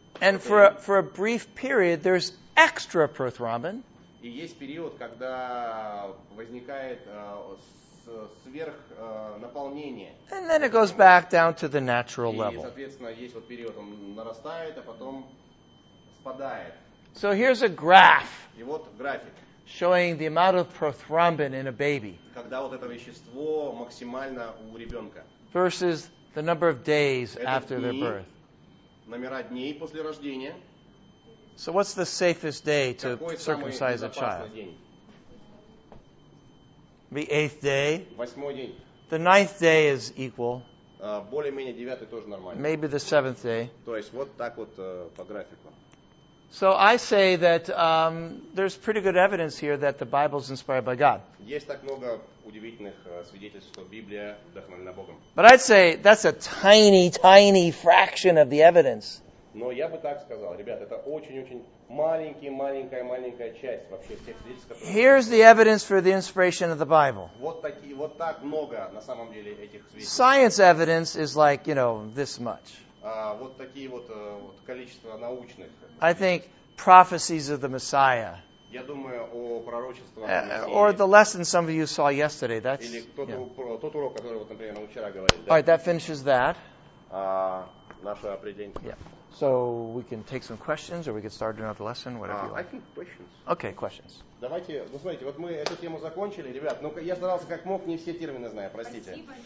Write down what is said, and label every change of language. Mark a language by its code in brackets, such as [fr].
[en] And for a brief period, there's extra prothrombin. [ru] И есть период, когда возникает сверхнаполнение. [en] And then it goes back down to the natural level. [ru] И, соответственно, есть вот период, он нарастает, а потом спадает. [en] So here's a graph. [ru] И вот график. [en] Showing the amount of prothrombin in a baby. [ru] Когда вот это вещество максимально у ребенка. [en] Versus the number of days after their birth. [ru] Номера дней после рождения. [en] So what's the safest day to circumcise a child? The eighth day. [ru] Восьмой день. [en] The ninth day is equal. [ru] Более-менее девятый тоже нормально. [en] Maybe the seventh day. [ru] То есть вот так вот по графику. [en] So I say that there's pretty good evidence here that the Bible is inspired by God. [ru] Есть так много удивительных свидетельств, что Библия вдохновлена Богом. [en] But I'd say that's a tiny, tiny fraction of the evidence. [ru] Но я бы так сказал, ребят, это очень-очень маленькая часть вообще всех свидетельств, которые... [en] Here's the evidence for the inspiration of the Bible. [ru] Вот так много на самом деле этих свидетельств. [en] Science evidence is like, you know, this much. [ru] Вот такие вот, вот количество научных. [en] I think prophecies of the Messiah. [ru] Я думаю о пророчествах. [en] Or the lesson some of you saw yesterday. That's. [ru] Или тот урок, который вот, например, вчера говорили. [en] All right, that finishes that. [ru] Наше определение. [en] Yeah. So we can take some questions, or we can start another lesson, whatever you like. I think questions. Okay, questions. [ru] Давайте, ну смотрите, вот мы эту тему закончили, ребят. Ну я старался как мог, не все термины знаю, простите.